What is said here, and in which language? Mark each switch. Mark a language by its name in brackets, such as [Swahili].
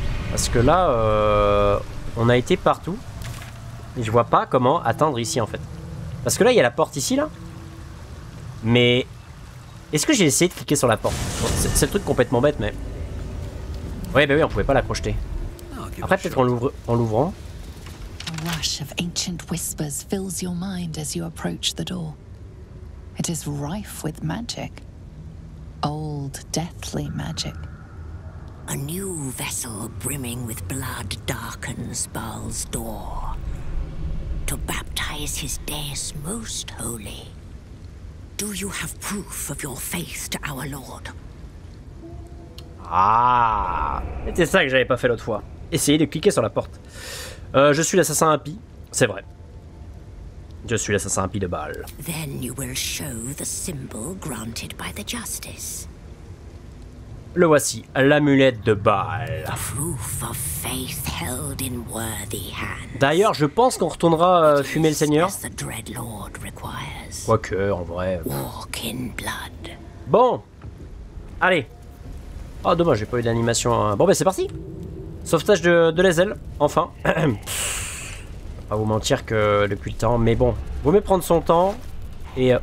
[French] Parce que là on a été partout. Et je vois pas comment atteindre ici en fait. Parce que là il y a la porte ici là. Mais est-ce que j'ai essayé de cliquer sur la porte? Bon, c'est le truc complètement bête mais. Ouais bah oui on pouvait pas la crocheter. Après peut-être en l'ouvrant. [English] Rush of ancient whispers fills your mind as you approach the door. It is rife with magic. Old, deathly magic. A new vessel brimming with blood darkens Baal's door. To baptize his dais most holy. Do you have proof of your faith to our Lord? [French] Ah, c'était ça que j'avais pas fait l'autre fois. Essayez de cliquer sur la porte. Je suis l'assassin impie, c'est vrai. Je suis l'assassin impie de Baal. [English] Then you will show the symbol granted by the justice. [French] Le voici, l'amulette de Baal. [English] The proof of faith held in worthy hands. [French] D'ailleurs, je pense qu'on retournera fumer le Seigneur. [English] The dread lord requires. [French] Quoique, en vrai. [English] Walk in blood. [French] Bon, allez. Ah, oh, dommage, j'ai pas eu d'animation. Bon, ben c'est parti. Sauvetage de Lezel, enfin. Pas vous mentir que depuis le temps, mais bon. Vaut mieux prendre son temps. Et.